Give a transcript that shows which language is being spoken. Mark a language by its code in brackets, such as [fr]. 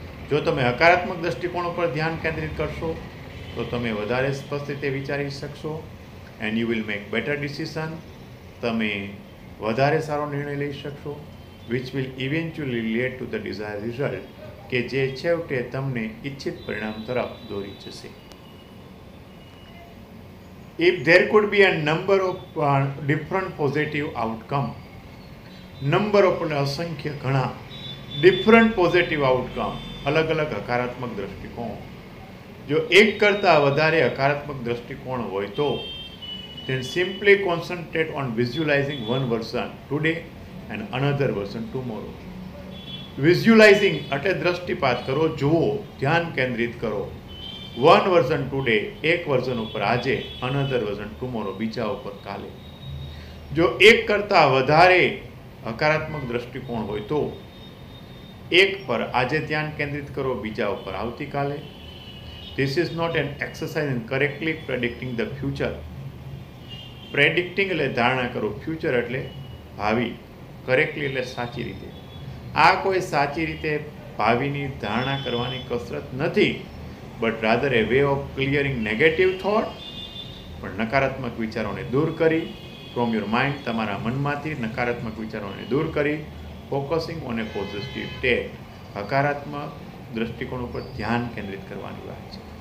[gu] જો તમે હકારાત્મક દ્રષ્ટિકોણ પર ધ્યાન કેન્દ્રિત કરશો તો તમે વધારે સ્પષ્ટ રીતે વિચારી શકશો [en] and you will make better decision, [gu] તમે વધારે સારો નિર્ણય લઈ શકશો, [en] which will eventually lead to the desire result, [gu] કે જે છેવટે તમને ઈચ્છિત પરિણામ તરફ દોરી જશે. [en] if there could be a number of different positive outcome, number of [gu] અસંખ્ય ઘણા [en] different positive outcome, [gu] અલગ અલગ હકારાત્મક દ્રષ્ટિકોણ. જો એક કરતાં વધારે હકારાત્મક દ્રષ્ટિકોણ હોય તો [en] then simply concentrate on visualizing one version today and another version tomorrow. [gu] Visualizing એટલે દ્રષ્ટિપાત કરો, જુઓ, ધ્યાન કેન્દ્રિત કરો. [en] One version today, [gu] એક version ઉપર આજે, [en] another version tomorrow, [gu] બીજા ઉપર કાલે. જો એક કરતાં વધારે હકારાત્મક દ્રષ્ટિકોણ હોય તો એક પર આજે ધ્યાન કેન્દ્રિત કરો, બીજા ઉપર આવતીકાલે. [en] This is not an exercise in correctly predicting the future. [gu] પ્રેડિક્ટિંગ એટલે ધારણા કરો, ફ્યુચર એટલે ભાવિ, કરેક્ટલી એટલે સાચી રીતે. આ કોઈ સાચી રીતે ભાવિની ધારણા કરવાની કસરત નથી, [en] But rather a way of clearing negative thought. [gu] પણ નકારાત્મક વિચારોને દૂર કરી, [en] from your mind, [gu] તમારા મનમાંથી નકારાત્મક વિચારોને દૂર કરી, [en] focusing on a positive take, [gu] હકારાત્મક દ્રષ્ટિકોણ ઉપર ધ્યાન કેન્દ્રિત કરવાની વાત છે.